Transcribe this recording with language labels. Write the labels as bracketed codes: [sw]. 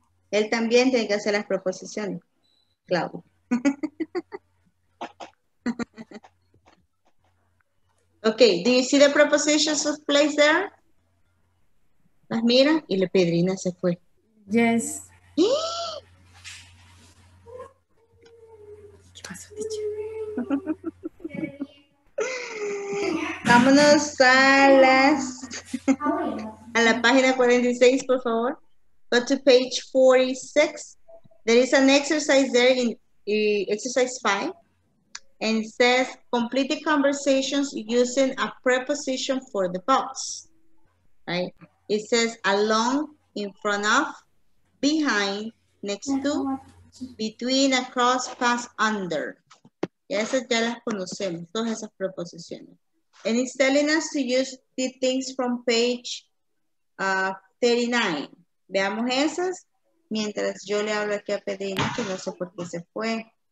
[es] Él también tiene que hacer las proposiciones, Claudio. [en] Okay, do you see the propositions of place there? [es] Las mira y la Pedrina se fue. [en] Yes. [es] Vámonos a las a la página 46, por favor. [en] Go to page 46. There is an exercise there in exercise 5. And it says, complete the conversations using a preposition for the box. Right? It says, along, in front of, behind, next to, between, across, past, under. [es] Esas ya las conocemos, todas esas proposiciones. [en] And it's telling us to use the things from page 39. [es] Veamos esas mientras yo le hablo aquí a Pedrina, que no sé por qué se fue.